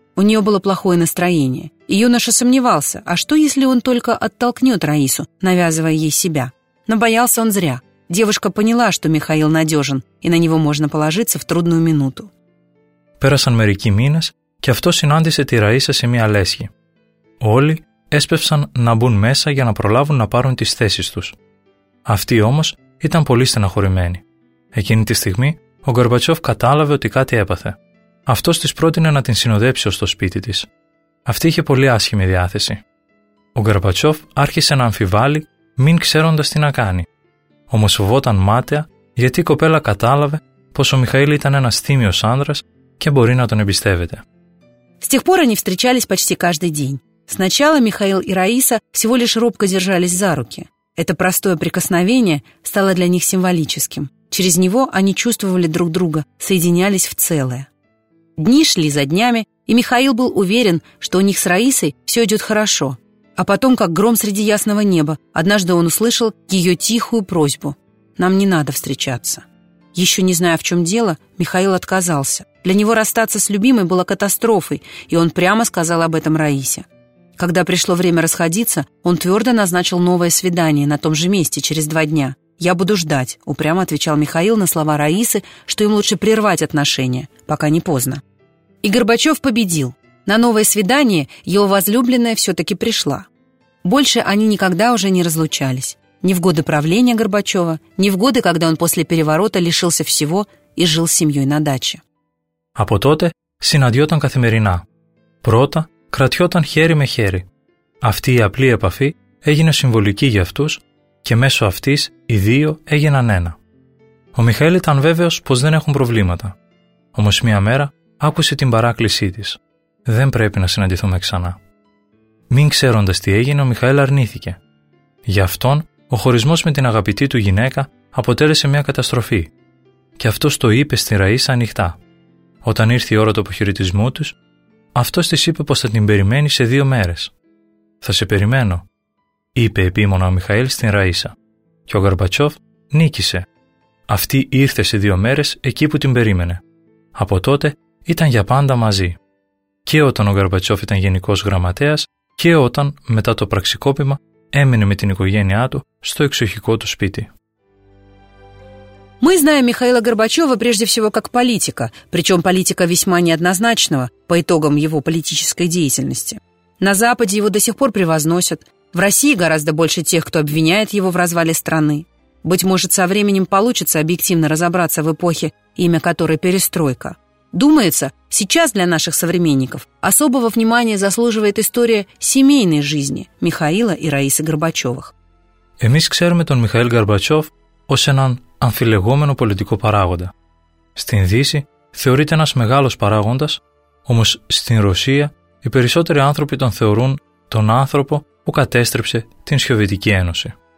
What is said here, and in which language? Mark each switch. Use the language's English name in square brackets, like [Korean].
[Russian] У нее было плохое настроение. И юноша сомневался, а что если он только оттолкнет Раису, навязывая ей себя? Но боялся он зря. Девушка поняла, что Михаил надежен, и на него можно положиться в трудную минуту. [Greek] Πέρασαν μερικοί μήνες και αυτό συνάντησε τη Ραΐσα σε μια λέσχη. Όλοι έσπευσαν να μπουν μέσα για να προλάβουν να πάρουν τις θέσεις τους. Αυτή όμως ήταν πολύ στεναχωρημένη. Εκείνη τη στιγμή ο Γκορμπατσόφ κατάλαβε ότι κάτι έπαθε. Αυτός της πρότεινε να την συνοδέψει ως το σπίτι της. Αυτή είχε πολύ άσχημη διάθεση. Ο Γκορμπατσόφ άρχισε να αμφιβάλλει, μην ξέροντας τι να κάνει. Όμως φοβόταν μάταια γιατί η κοπέλα κατάλαβε πως ο Μιχαήλ ήταν ένας τίμιος άνδρας. Και μπορεί να τον εμπιστεύεται. [Russian] С тех пор они встречались почти каждый день. Сначала Михаил и Раиса всего лишь робко держались за руки. Это простое прикосновение стало для них символическим. Через него они чувствовали друг друга, соединялись в целое. Дни шли за днями, и Михаил был уверен, что у них с Раисой все идет хорошо. А потом, как гром среди ясного неба, однажды он услышал ее тихую просьбу. «Нам не надо встречаться». Еще не зная, в чем дело, Михаил отказался. Для него расстаться с любимой было катастрофой, и он прямо сказал об этом Раисе. Когда пришло время расходиться, он твердо назначил новое свидание на том же месте через два дня. «Я буду ждать», – упрямо отвечал Михаил на слова Раисы, что им лучше прервать отношения, пока не поздно. И Горбачев победил. На новое свидание его возлюбленная все-таки пришла. Больше они никогда уже не разлучались. Ни в годы правления Горбачева, ни в годы, когда он после переворота лишился всего и жил с семьей на даче. [Greek] Από τότε συναντιόταν καθημερινά. Πρώτα κρατιόταν χέρι με χέρι. Αυτή η απλή επαφή έγινε συμβολική για αυτούς και μέσω αυτής οι δύο έγιναν ένα. Ο Μιχαήλ ήταν βέβαιος πως δεν έχουν προβλήματα. Όμως μία μέρα άκουσε την παράκλησή της. Δεν πρέπει να συναντηθούμε ξανά. Μην ξέροντας τι έγινε, ο Μιχαήλ αρνήθηκε. Γι' αυτόν ο χωρισμός με την αγαπητή του γυναίκα αποτέλεσε μια καταστροφή. Και αυτός το είπε στη Ραΐσα ανοιχτά. Όταν ήρθε η ώρα του αποχαιρετισμού τους, αυτός της είπε πως θα την περιμένει σε δύο μέρες. «Θα σε περιμένω», είπε επίμονα ο Μιχαήλ στην Ραΐσα. Και ο Γκορμπατσόφ νίκησε. Αυτή ήρθε σε δύο μέρες εκεί που την περίμενε. Από τότε ήταν για πάντα μαζί. Και όταν ο Γκορμπατσόφ ήταν γενικός γραμματέας και όταν, μετά το πραξικόπημα, έμεινε με την οικογένειά του στο εξοχικό του σπίτι. [Russian] Мы знаем Михаила Горбачева прежде всего как политика, причем политика весьма неоднозначного по итогам его политической деятельности. На Западе его до сих пор превозносят, в России гораздо больше тех, кто обвиняет его в развале страны. Быть может, со временем получится объективно разобраться в эпохе, имя которой «Перестройка». Думается, сейчас для наших современников особого внимания заслуживает история семейной жизни Михаила и Раисы Горбачевых. [Greek] Εμείς ξέρουμε τον Μιχαήλ Γκαρμπατσόφ ως έναν αμφιλεγόμενο πολιτικό παράγοντα. Στην Δύση θεωρείται ένας μεγάλος παράγοντας, όμως στην Ρωσία οι περισσότεροι άνθρωποι τον θεωρούν τον άνθρωπο που κατέστρεψε την Σοβιετική Ένωση.